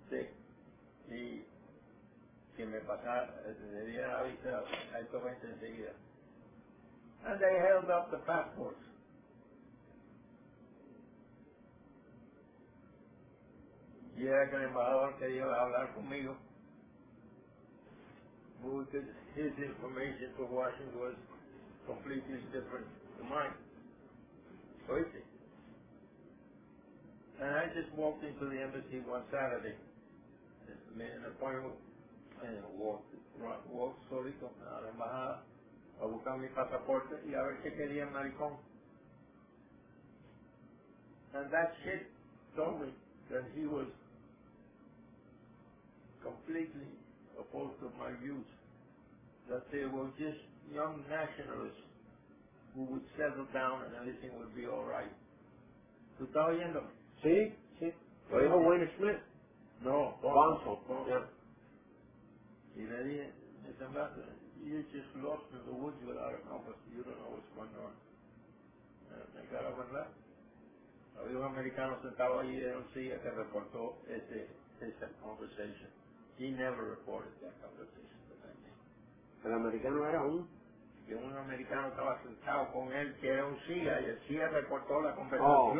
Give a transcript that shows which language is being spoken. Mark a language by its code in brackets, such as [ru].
[es] Sí. Y que me pasara, le diera la vista a estos 20 enseguida. [en] And they held up the passports. [es] Y era que el embajador quería hablar conmigo. [en] Because his information for Washington was completely different. Mine. And I just walked into the embassy one Saturday, just made an appointment, and walked [es] solito a la embajada a buscar mi pasaporte y a ver qué quería el maricón. [en] And that shit told me that he was completely opposed to my views, that they were just young nationalists who would settle down and everything would be all right. [es] ¿Tú estás oyendo? Sí, sí. ¿Lo dijo Wayne Smith? No, Bonsall. Y le dije, Mr. [en] Ambassador, you just lost in the woods without a compass. You don't know what's going on. [es] Me cago en la. Había un americano sentado allí en un silla que reportó esta conversation. [en] He never reported that conversation. [es] ¿El americano era un? Que un americano estaba sentado con él, que era un CIA, y el CIA recortó la conversación,